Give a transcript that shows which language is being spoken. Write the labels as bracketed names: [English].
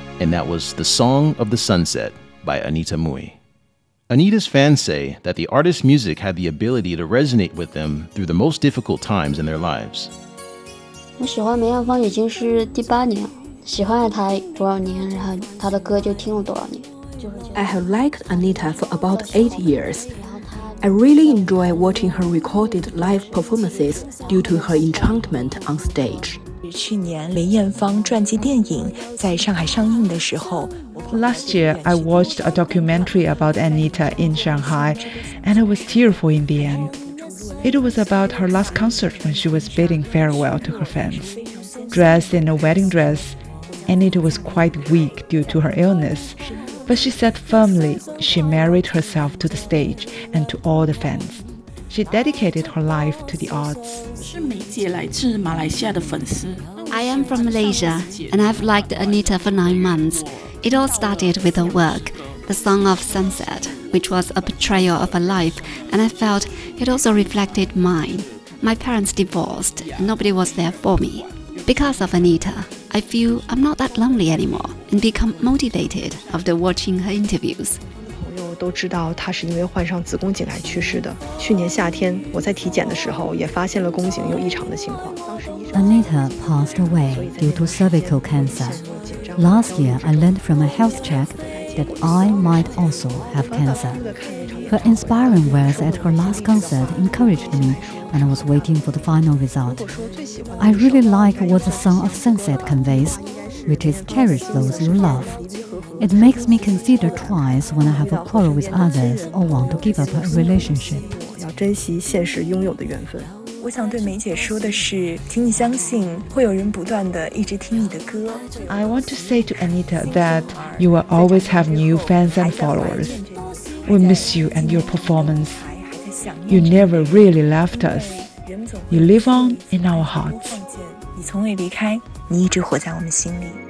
[English] That was The Song of the Sunset by Anita Mui. Anita's fans say that the artist's music had the ability to resonate with them through the most difficult times in their lives. [Chinese] 我喜欢梅艳芳已经是第八年，喜欢了她多少年，然后她的歌就听了多少年。 [English] I have liked Anita for about 8 years. I really enjoy watching her recorded live performances due to her enchantment on stage. [Chinese] 去年梅艳芳传记电影在上海上映的时候 [English] Last year, I watched a documentary about Anita in Shanghai, and I was tearful in the end. It was about her last concert when she was bidding farewell to her fans, dressed in a wedding dress. Anita was quite weak due to her illness, but she said firmly she married herself to the stage and to all the fans. She dedicated her life to the arts. I am from Malaysia, and I've liked Anita for 9 months. It all started with her work, The Song of Sunset, which was a portrayal of her life, and I felt it also reflected mine. My parents divorced, and nobody was there for me. Because of Anita, I feel I'm not that lonely anymore, and become motivated after watching her interviews. [Chinese] 都知道她是因为患上子宫颈癌去世的。去年夏天，我在体检的时候也发现了宫颈有异常的情况。 [English] Anita passed away due to cervical cancer. Last year, I learned from a health check that I might also have cancer. Her inspiring words at her last concert encouraged me when I was waiting for the final result. I really like what the Song of Sunset conveys, which is cherish those you love. It makes me consider twice when I have a quarrel with others or want to give up a relationship. [Chinese] 要珍惜现实拥有的缘分。我想对梅姐说的是，请你相信会有人不断地一直听你的歌。 [English] I want to say to Anita that you will always have new fans and followers. We miss you and your performance. You never really left us. You live on in our hearts. [Chinese] 从未离开，你一直活在我们心里。